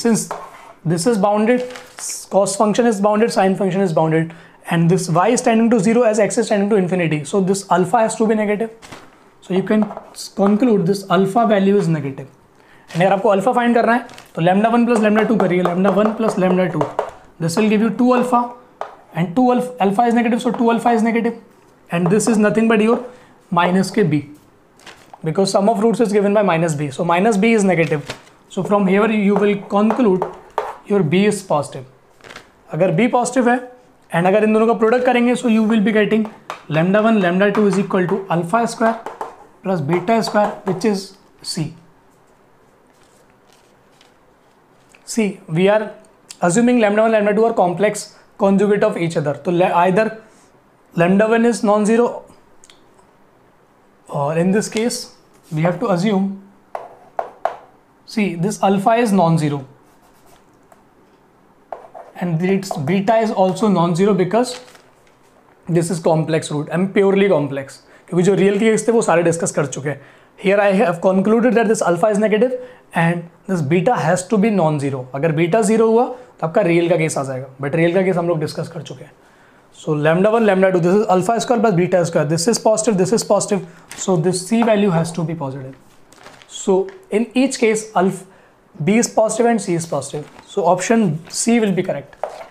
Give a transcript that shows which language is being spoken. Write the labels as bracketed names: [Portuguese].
[English] Since this is bounded, cos function is bounded, sine function is bounded and this y is tending to zero as x is tending to infinity. So this alpha has to be negative. So you can conclude this alpha value is negative. [Hindi] And अगर आपको alpha find करना है तो lambda 1 plus lambda 2 करिए. [English] Lambda 1 plus lambda 2, this will give you 2 alpha. And 2 alpha is negative, so 2 alpha is negative. And this is nothing but your minus kb. Because sum of roots is given by minus b. So minus b is negative. So from here you will conclude your b is positive. [Hindi] Agar b positive hai, [English] and [Hindi] agar in dono ka product karenge, [English] so you will be getting lambda 1, lambda 2 is equal to alpha square plus beta square, which is c. See, we are assuming lambda 1, lambda 2 are complex conjugate of each other. So either lambda 1 is non-zero, or in this case we have to assume, see, this alpha is non-zero and its beta is also non-zero because this is complex root. I am purely complex because the real case they have discussed. Here I have concluded that this alpha is negative and this beta has to be non-zero. [Hindi] Agar beta zero hua, तो आपका real का case आ जाएगा. [English] but [Hindi] real का case हम लोग discuss कर चुके हैं. [English] So lambda 1 lambda 2, this is alpha square plus beta square, this is positive, this is positive, so this C value has to be positive. So in each case alpha B is positive and C is positive, so option C will be correct.